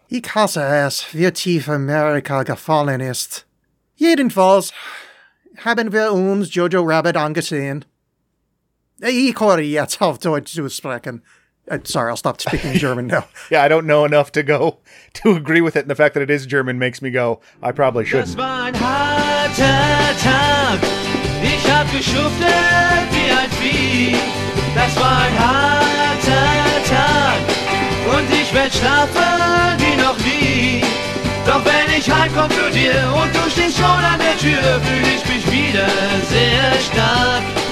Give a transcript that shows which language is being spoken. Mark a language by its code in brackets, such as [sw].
[de] Ich hasse es, wie tief Amerika gefallen ist. Jedenfalls, haben wir uns Jojo Rabbit angesehen. Ich höre jetzt auf Deutsch zu sprechen. [en] Sorry, I'll stop speaking German now. Yeah, I don't know enough to agree with it, and the fact that it is German makes me go, I probably shouldn't. [de] Das war ein harter Tag. Ich hab geschuftet wie ein Vieh. Das war ein harter Tag. Und ich werd schlafen wie noch nie. Doch wenn ich heimkomm zu dir und du stehst schon an der Tür, fühl ich mich wieder sehr stark.